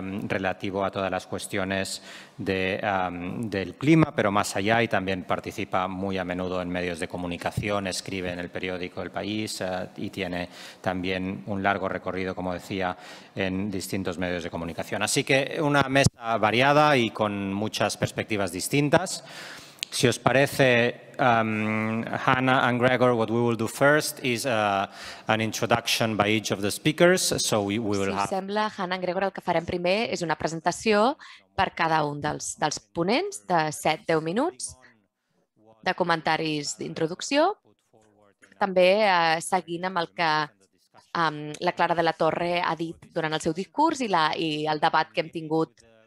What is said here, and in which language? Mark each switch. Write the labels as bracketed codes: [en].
[es] relativo a todas las cuestiones del clima, pero más allá, y también participa muy a menudo en medios de comunicación, escribe en el periódico El País y tiene también un largo recorrido, como decía, en distintos medios de comunicación. Así que una mesa variada y con muchas perspectivas distintas. Si os parece, [en] Hanna and Gregor, what we will do first is an introduction by each of the speakers. So we will [ca] have... Si us sembla, Hanna and Gregor, el que farem primer és una presentació per cada un dels ponents de 7-10 minuts de comentaris d'introducció, també seguint amb el que la Clara de la Torre ha dit durant el seu discurs i el debat que hem tingut.